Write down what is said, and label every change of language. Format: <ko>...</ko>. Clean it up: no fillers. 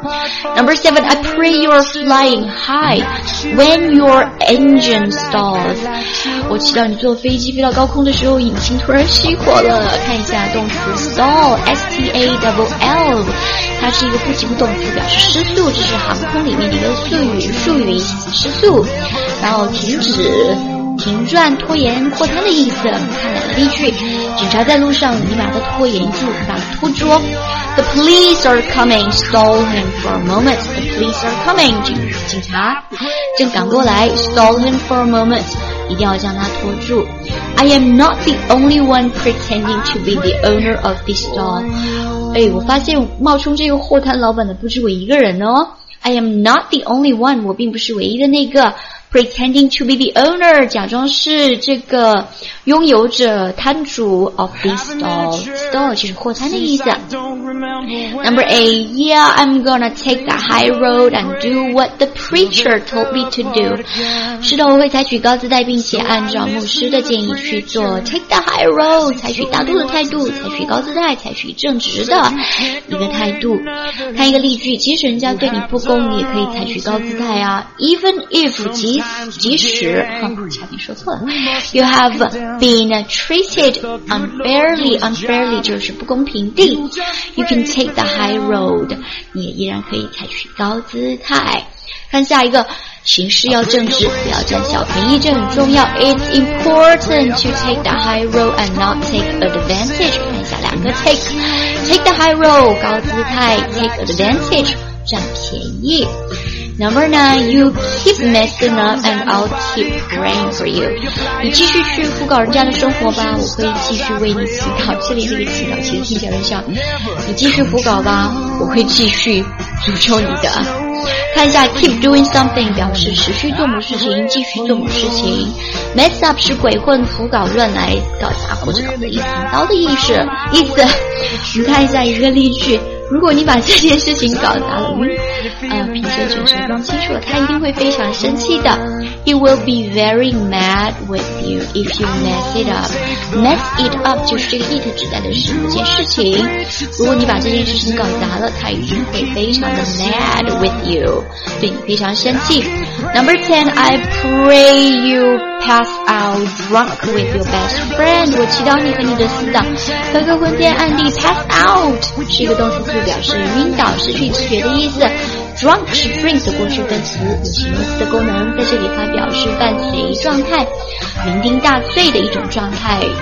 <en>Number seven, I pray you're flying high when your engine stalls.</en> <zh>我祈祷你坐飞机飞到高空的时候引擎突然熄火了。看一下动词 stall, S-T-A-L-L，它是一个不及物动词，表示失速，这是航空里面的一个术语，失速，然后停止停转拖延扩摊的意思，看来的例句，警察在路上，你把他拖延住，把他拖住。</zh> <en>The police are coming, stall him for a moment. The police are coming,</en> <zh>警察正赶过来，</zh> <en>stall him for a moment,</en> <zh>一定要将他拖住。</zh> <en>I am not the only one pretending to be the owner of this stall.</en> <zh>哎，我发现冒充这个货摊老板的不止我一个人哦。</zh> <en>I am not the only one,</en> <zh>我并不是唯一的那个。</zh> <en>Pretending to be the owner,</en> <zh>假装是这个拥有者摊主</zh> <en>of this stall.</en> <zh>Stall 就是货摊的意思。</zh> <en>Number eight, yeah, I'm gonna take the high road and do what the preacher told me to do.</en> <zh>是的，我会采取高姿态，并且按照牧师的建议去做。</zh> <en>Take the high road,</en> <zh>采取大度的态度，采取高姿态，采取正直的一个态度。看一个例句，即使人家对你不公，你也可以采取高姿态啊。</zh> <en>Even if,</en> <zh>即使前面说错了，</zh> <en>You have been treated unfairly</en> <zh>就是不公平的，</zh> <en>You can take the high road，</en> <zh>你依然可以采取高姿态。看下一个，行事要正直，不要占小便宜，这很重要。</zh> <en>It's important to take the high road and not take advantage。</en> <zh>看一下两个</zh> <en>take the high road，</en> <zh>高姿态，</zh> <en>take advantage，</en> <zh>占便宜。</zh> <en>Number nine, you keep messing up and I'll keep praying for you.</en> <zh>你继续去胡搞人家的生活吧，我会继续为你祈祷。这里这个祈祷其实听起来很像，你继续胡搞吧，我会继续诅咒你的。看一下</zh> <en>keep doing something</en> <zh>表示持续做某事情，继续做某事情。 mess up 是鬼混、胡搞、乱来、搞砸或者搞得一团糟的意思。你看一下一个例句，如果你把这件事情搞砸了，品先生说不清楚了，他一定会非常生气的。</zh> <en>He will be very mad with you if you mess it up. Mess it up</en> <zh>就是这个 it 指代的是某件事情，如果你把这件事情搞砸了，他一定会非常的</zh> <en>mad with you，</en> <zh>对你非常生气。</zh> <en>Number 10, I pray you pass out drunk with your best friend.</en> <zh>我祈祷你和你的死党喝个昏天暗地。 Pass out 是一个动词，就表示晕倒、失去知觉的意思。 Drunk 是 drink 的过去分词，有形容词的功能，在这里它表示伴随状态、酩酊大醉的一种状态。</zh>